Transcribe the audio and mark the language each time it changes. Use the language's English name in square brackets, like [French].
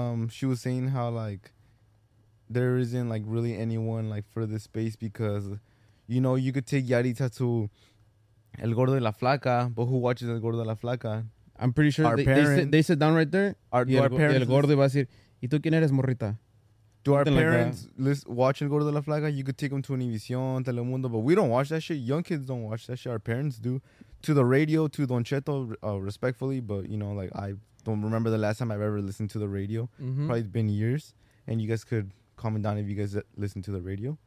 [English] She was saying how like there isn't like really anyone like for this space, because you know you could take Yaritza to El Gordo de la Flaca, but who watches El Gordo de la Flaca? I'm pretty sure our parents, they sit down right there. Our parents [Spanish] El Gordo va a decir, ¿y tú quién eres, morrita? [English] Do our parents watch and go to the La Flaga? You could take them to Univision, Telemundo, but we don't watch that shit. Young kids don't watch that shit. Our parents do. To the radio, to Don Cheto, respectfully, but, you know, like, I don't remember the last time I've ever listened to the radio. Mm-hmm. Probably been years. And you guys could comment down if you guys listen to the radio.